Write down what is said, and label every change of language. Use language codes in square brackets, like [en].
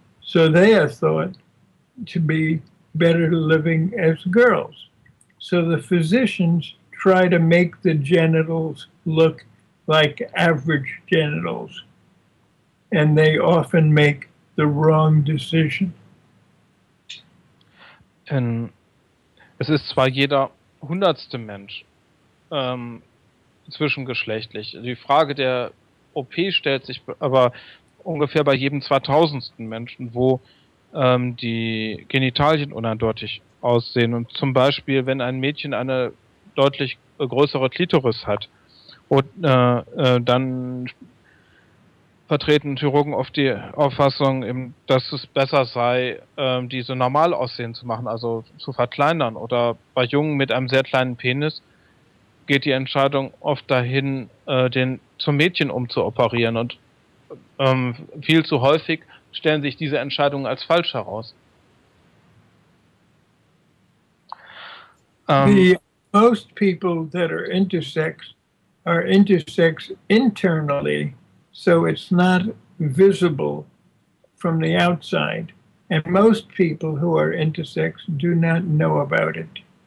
[en] So they are thought to be better living as girls. So the physicians try to make the genitals look like average genitals, and they often make the wrong decision. [de] Und es ist zwar jeder hundertste Mensch zwischengeschlechtlich. Die Frage der OP stellt sich aber ungefähr bei jedem 2000. Menschen, wo die Genitalien uneindeutig aussehen. Und zum Beispiel, wenn ein Mädchen eine deutlich größere Klitoris hat, dann vertreten Chirurgen oft die Auffassung, dass es besser sei, diese normal aussehen zu machen, also zu verkleinern. Oder bei Jungen mit einem sehr kleinen Penis geht die Entscheidung oft dahin, den zum Mädchen umzuoperieren. Und viel zu häufig stellen sich diese Entscheidungen als falsch heraus. [en] The most people that are intersex internally, so it's not visible from the outside. And most people who are intersex do not know about it.